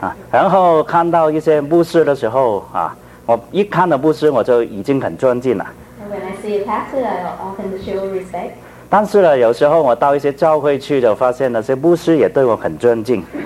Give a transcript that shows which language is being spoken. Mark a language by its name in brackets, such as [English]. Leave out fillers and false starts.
[Chinese] 然后看到一些牧师的时候啊，我一看到牧师，我就已经很尊敬了。 [English] When I see a pastor, I often show respect. [Chinese] 但是呢，有时候我到一些教会去，就发现那些牧师也对我很尊敬。